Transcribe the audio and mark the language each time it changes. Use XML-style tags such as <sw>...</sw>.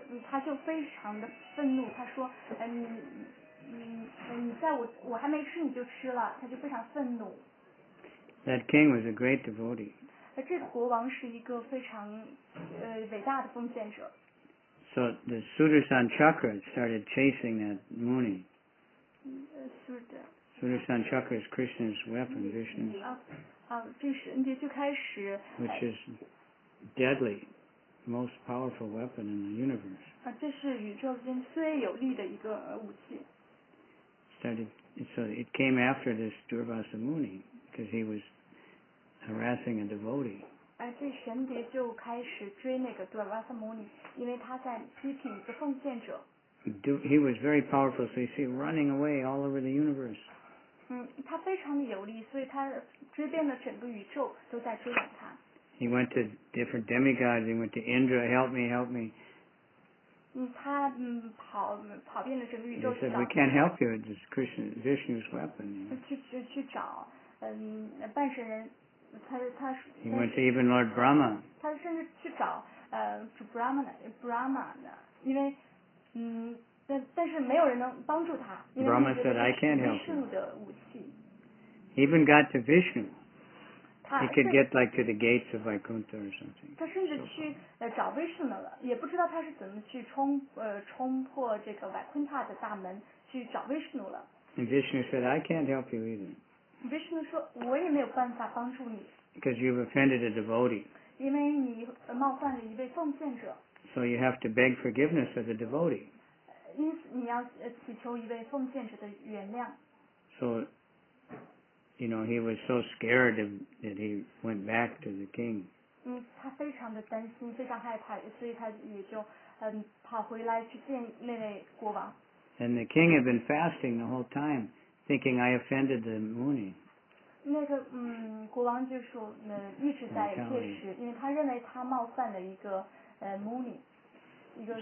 <zh>他就非常的愤怒，他说，你在我还没吃你就吃了，他就非常愤怒。</zh> <en>That king was a great devotee.</en> <zh>这个国王是一个非常伟大的奉献者。</zh> <en>So the Sudarshan Chakra started chasing that Muni. Sudarshan Chakra is Krishna's weapon, Vishnu's.</en> <zh>这个神蝶就开始。</zh> <en>Which is deadly. Most powerful weapon in the universe.</en> <zh>这是宇宙间最有力的一个武器。</zh> <en>So it came after this Durvasa Muni because he was harassing a devotee.</en> <zh>这神蝶就开始追那个 Durvasa Muni， 因为他在批评一个奉献者。</zh> <en>He was very powerful, so you see, running away all over the universe.</en> <zh>他非常有力，所以他追遍了整个宇宙，都在追赶他。</zh> <en>He went to different demigods. He went to Indra, help me, help me.</en> <zh>他跑遍了整个宇宙。</zh> <en>He said, we can't help you. It's Vishnu's weapon.</en> <zh>去找半神人，他。</zh> <en>He went to even Lord Brahma.</en> <zh>他甚至去找Brahma 因为但是没有人能帮助他。</zh> <en>Brahma said, I can't help you. He even got to Vishnu. He could get like to the gates of Vaikuntha or something.</en> <zh>他甚至去找威士呢了，也不知道他是怎么去冲破这个瓦昆塔的大门去找威士呢了。</zh> <en>And Vishnu said, I can't help you either.</en> <zh>Vishnu 说我也没有办法帮助你。</zh> <en>Because you've offended a devotee.</en> <zh>因为你冒犯了一位奉献者。</zh> <en>So you have to beg forgiveness of the devotee.</en> <zh>因此你要祈求一位奉献者的原谅。</zh> <en>So. You know, he was so scared that he went back to the king.</en> <zh>他非常的担心，非常害怕，所以他也就跑回来去见那位国王。</zh> <en>And the king had been fasting the whole time, thinking I offended the Muni.</en> <zh>那个国王就说一直在戒食，因为他认为他冒犯了一个Muni， 一个。</zh>